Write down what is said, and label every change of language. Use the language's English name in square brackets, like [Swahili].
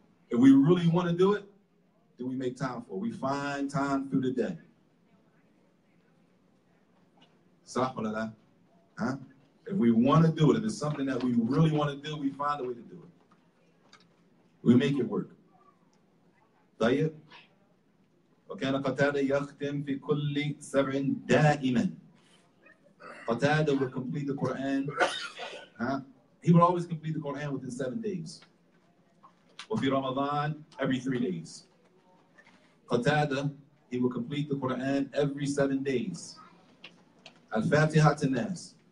[English] If we really want to do it, then we make time for it. We find time through the day. If we want to do it, if it's something that we really want to do, we find a way to do it. We make it work. [Arabic] وكان قتادة يختم في كل سبع دائما. [English] قتادة would complete the Quran. He would always complete the Quran within 7 days. [Arabic] وفي رمضان [English] every 3 days. قتادة, he would complete the Quran every 7 days. [Arabic] الفاتحة الناس.